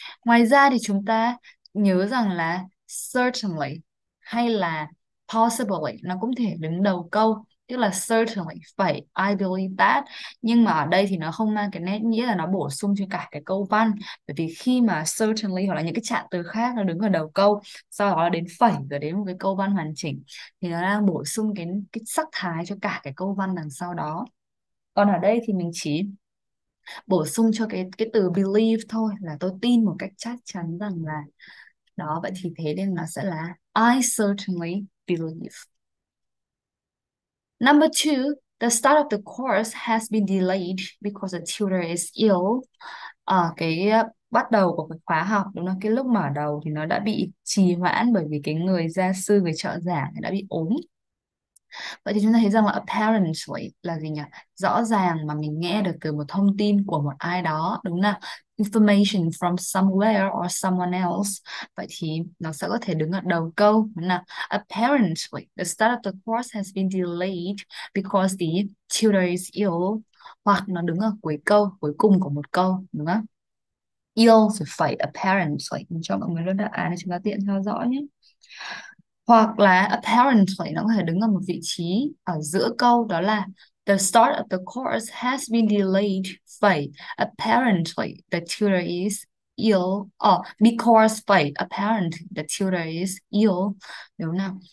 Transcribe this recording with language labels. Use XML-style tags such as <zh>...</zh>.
<vi>Ngoài ra thì chúng ta nhớ rằng là certainly hay là possibly nó cũng thể đứng đầu câu, tức là certainly phải</vi> <en>I believe that,</en> <vi>nhưng mà ở đây thì nó không mang cái nét nghĩa là nó bổ sung cho cả cái câu văn, bởi vì khi mà certainly hoặc là những cái trạng từ khác nó đứng ở đầu câu, sau đó đến phẩy rồi đến một cái câu văn hoàn chỉnh, thì nó đang bổ sung cái sắc thái cho cả cái câu văn đằng sau đó. Còn ở đây thì mình chỉ bổ sung cho cái từ believe thôi, là tôi tin một cách chắc chắn rằng là đó, vậy thì thế nên nó sẽ là</vi> <en>I certainly believe. Number two, the start of the course has been delayed because the tutor is ill.</en> <vi>Cái bắt đầu của cái khóa học, đúng không? Cái lúc mở đầu thì nó đã bị trì hoãn bởi vì cái người gia sư, người trợ giảng đã bị ốm. Vậy thì chúng ta thấy rằng là apparently là gì nhỉ? Rõ ràng mà mình nghe được từ một thông tin của một ai đó, đúng không?</vi> <en>Information from somewhere or someone else.</en> <vi>Vậy thì nó sẽ có thể đứng ở đầu câu, đúng không?</vi> <en>Apparently, the start of the course has been delayed because the tutor is ill.</en> <vi>hoặc nó đứng ở cuối câu, cuối cùng của một câu, đúng không? Yield phải apparently, cho mọi người luôn đáp án để chúng ta tiện theo dõi nhé. Hoặc là apparently nó có thể đứng ở một vị trí ở giữa câu, đó là</vi> <en>the start of the course has been delayed</en> <vi>phải</vi> <en>apparently the tutor is ill, because</en> <vi>phải</vi> <en>apparently the tutor is ill,</en> <vi>đúng nào?</vi>